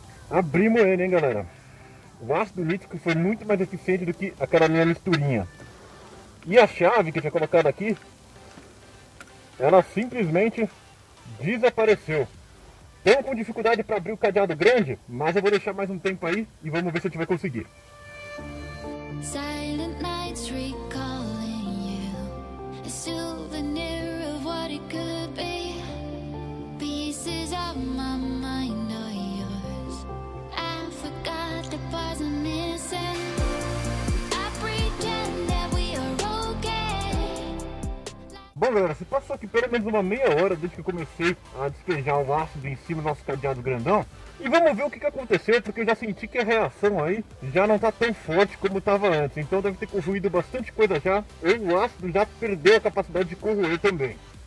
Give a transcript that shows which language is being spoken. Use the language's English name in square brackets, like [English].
[Portuguese] Abrimos ele, hein, galera. O ácido nítrico foi muito mais eficiente do que aquela minha misturinha. E a chave que eu tinha colocado aqui, ela simplesmente desapareceu. Tenho com dificuldade para abrir o cadeado grande, mas eu vou deixar mais um tempo aí e vamos ver se a gente vai conseguir. [English] Silent nights recalling you. Souvenir of what it could be. Pieces of my mind are yours. I forgot the parts I'm missing. I pretend that we are okay. [Portuguese] Bom, galera, se passou aqui pelo menos uma meia hora desde que eu comecei a despejar o ácido em cima do nosso cadeado grandão. E vamos ver o que aconteceu, porque eu já senti que a reação aí já não tá tão forte como tava antes. Então deve ter corroído bastante coisa já. Ou o ácido já perdeu a capacidade de corroer também.